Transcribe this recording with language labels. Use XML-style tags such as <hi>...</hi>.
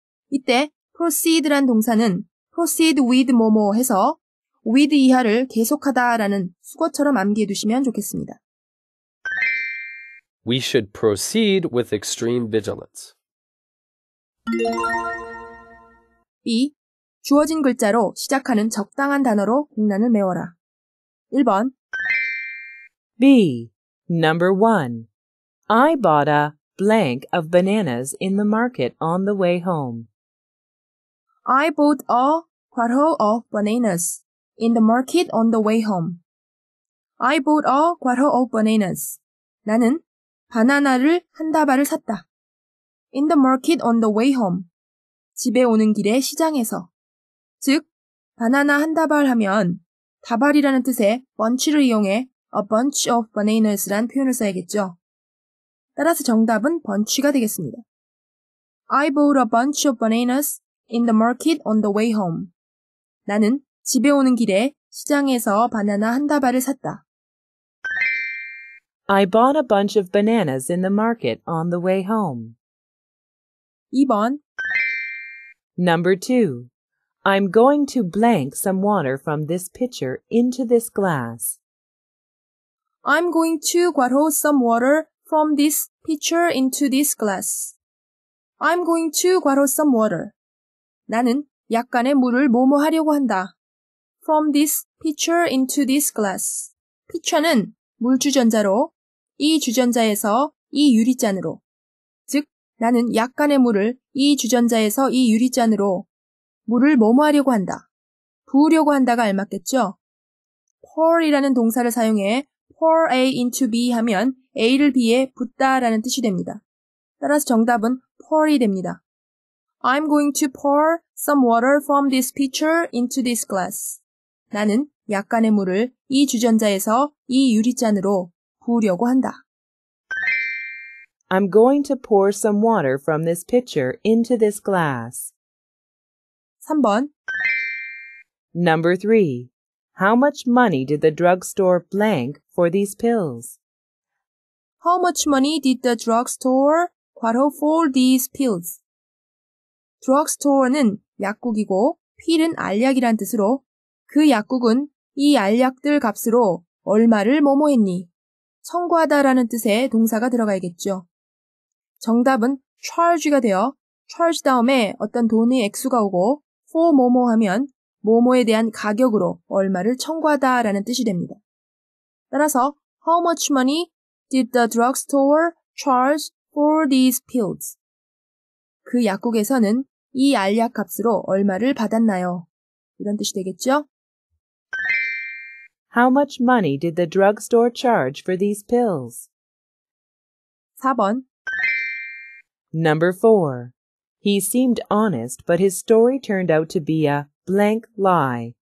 <ko>이때 proceed란 동사는</ko> <en>proceed with</en> <ko>뭐뭐 해서 with 이하를 계속하다 라는 수거처럼 암기해 두시면 좋겠습니다.</ko> <en>We should proceed with extreme vigilance. B.</en> <ko>주어진 글자로 시작하는 적당한 단어로 공란을 메워라. 1번</ko> <en>B. Number 1. I bought a blank of bananas in the market on the way home. I bought a 괄호 of bananas in the market on the way home. I bought a 괄호 of bananas.</en> <ko>나는 바나나를 한 다발을 샀다.</ko> <en>In the market on the way home.</en> <ko>집에 오는 길에 시장에서. 즉, 바나나 한 다발 하면 다발이라는 뜻의 bunch를 이용해</ko> <en>a bunch of bananas</en> <ko>란 표현을 써야겠죠. 따라서 정답은 bunch가 되겠습니다.</ko> <en>I bought a bunch of bananas in the market on the way home.</en> <ko>나는 집에 오는 길에 시장에서 바나나 한 다발을 샀다.</ko> <en>I bought a bunch of bananas in the market on the way home.</en> <ko>2번</ko> <en>Number 2. I'm going to blank some water from this pitcher into this glass. I'm going to 괄호 some water from this pitcher into this glass. I'm going to 괄호 some water.</en> <ko>나는 약간의 물을 뭐뭐 하려고 한다.</ko> <en>From this pitcher into this glass.</en> <ko>pitcher는 물 주전자로 이 주전자에서 이 유리잔으로. 즉, 나는 약간의 물을 이 주전자에서 이 유리잔으로 물을 뭐뭐 하려고 한다. 부으려고 한다가 알맞겠죠? pour이라는 동사를 사용해</ko> <en>pour A into B</en> <ko>하면 A를 B에 붓다 라는 뜻이 됩니다. 따라서 정답은 pour이 됩니다.</ko> <en>I'm going to pour some water from this pitcher into this glass.</en> <ko>나는 약간의 물을 이 주전자에서 이 유리잔으로 부으려고 한다.</ko> <en>I'm going to pour some water from this pitcher into this glass.</en> <ko>3번</ko> <en>Number 3. How much money did the drugstore blank for these pills? How much money did the drugstore 괄호 for these pills?</en> <ko>Drugstore는 약국이고 pill은 알약이란 뜻으로 그 약국은 이 알약들 값으로 얼마를 뭐뭐 했니? 청구하다 라는 뜻의 동사가 들어가야겠죠. 정답은 charge가 되어 charge 다음에 어떤 돈의 액수가 오고 for 뭐뭐 하면 뭐뭐에 대한 가격으로 얼마를 청구하다 라는 뜻이 됩니다. 따라서</ko> <en>How much money did the drugstore charge for these pills?</en> <ko>그 약국에서는 이 알약 값으로 얼마를 받았나요? 이런 뜻이 되겠죠?</ko> <en>How much money did the drugstore charge for these pills?</en> <ko>4번</ko> <en>Number 4. He seemed honest, but his story turned out to be a blank lie.</en>